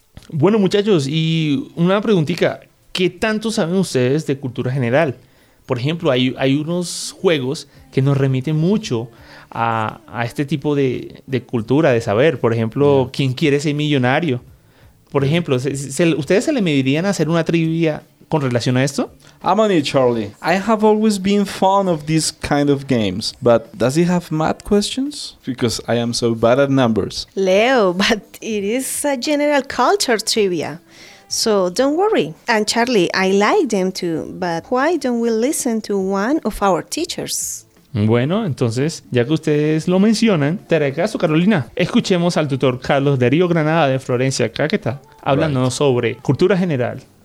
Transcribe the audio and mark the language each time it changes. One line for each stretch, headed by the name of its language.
Spanish: Bueno, muchachos, y una preguntita, ¿qué tanto saben ustedes de cultura general? Por ejemplo, hay unos juegos que nos remiten mucho a este tipo de cultura, de saber. Por ejemplo, ¿quién quiere ser millonario? Por ejemplo, ¿ustedes se le medirían a hacer una trivia con relación a esto?
English: I'm on it, Charlie. I have always been fond of these kind of games, but does it have math questions? Because I am so bad at numbers. Leo, but it is a general culture trivia, so don't worry. And Charlie, I like them too, but why don't we listen to one of our teachers?
Spanish: Bueno, entonces, ya que ustedes lo mencionan, te haré caso, Carolina. Escuchemos al tutor Carlos de Río Granada de Florencia, Caquetá, hablando sobre cultura general.